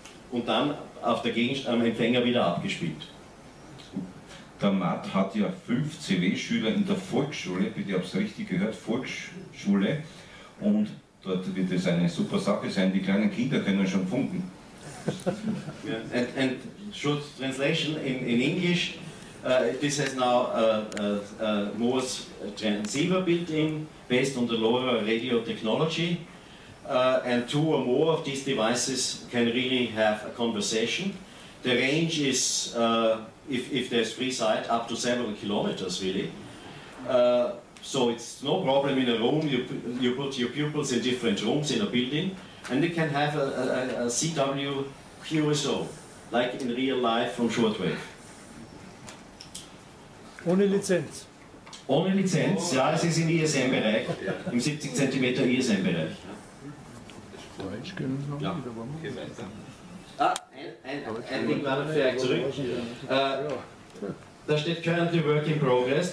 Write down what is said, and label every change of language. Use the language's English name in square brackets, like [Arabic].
[German] Und dann auf der am Empfänger wieder abgespielt. Der Matt hat ja 5 CW-Schüler in der Volksschule, bitte habe ich es richtig gehört, Volksschule. Und dort wird es eine super Sache sein, die kleinen Kinder können schon funken. [English] Yeah. And short translation in English, this has now a Morse transceiver built in, based on the LoRa radio technology. And two or more of these devices can really have a conversation. The range is, if there's free sight, up to several kilometers, really. So it's no problem in a room. You put your pupils in different rooms in a building, and they can have a CW QSO, like in real life from shortwave. [German] Ohne Lizenz. Ohne Lizenz, ja, es ist im ISM-Bereich, im 70 cm ISM-Bereich. Deutsch können wir noch ja. Wieder warm. Ein Ding war noch vielleicht zurück. Da steht [English] currently work in progress.